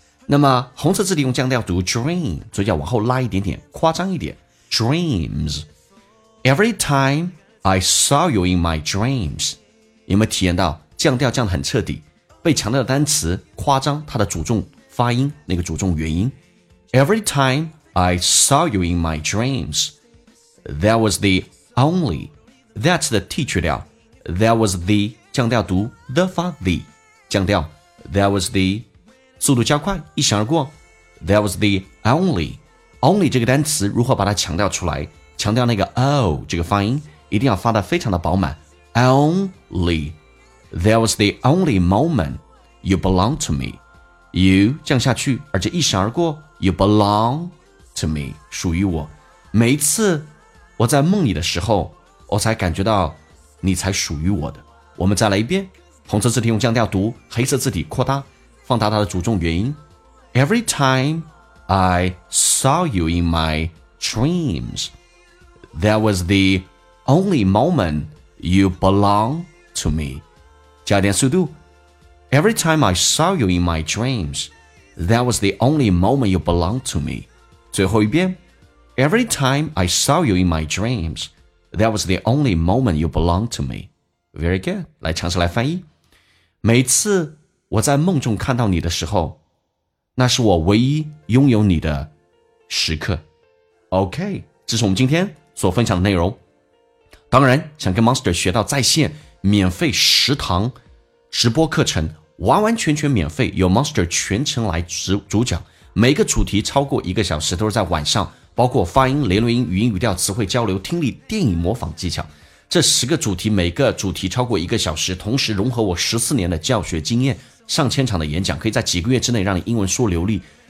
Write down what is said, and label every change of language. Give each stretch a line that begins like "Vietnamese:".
Chinese: 那么红色字体用降调读 Dream， 嘴角往后拉一点点，夸张一点
English: DreamsEvery time I saw you in my dreams，
Chinese: 有没有体验到降调降得很彻底？被强调的单词夸张它的主重发音，那个主重元音。
English: Every time I saw you in my dreams, that was the only. That's the T
Chinese: 去掉。
English: That was the 降调读 the 发 the 降调。 That was the
Chinese: 速度加快一闪而过。
English: That was the only.
Chinese: Only 这个单词如何把它强调出来？强调那个 O 这个发音，一定要发得非常的饱满。
English: Only, that was the only moment you belong to me.
Chinese: You 降下去，而且一闪而过。
English: You belong to me,
Chinese: 属于我。每一次我在梦里的时候，我才感觉到你才属于我的。我们再来一遍，红色字体用降调读，黑色字体扩大，放大它的主重元音。
English: Every time I saw you in my dreams. That was the only moment you belong to me.
Chinese: 加点速度。
English: Every time I saw you in my dreams, that was the only moment you belong to me.
Chinese: 最后一遍。
English: Every time I saw you in my dreams, that was the only moment you belong to me. Very good.
Chinese: 来尝试来翻译。每次我在梦中看到你的时候，那是我唯一拥有你的时刻。 OK, 这是我们今天所分享的内容。当然想跟 Monster 学到在线免费十堂直播课程，完完全全免费，有 Monster 全程来主讲，每个主题超过一个小时，都是在晚上，包括发音、连轮音、语音、语调、词汇交流、听力、电影模仿技巧，这十个主题每个主题超过一个小时，同时融合我14年的教学经验，上千场的演讲，可以在几个月之内让你英文说流利，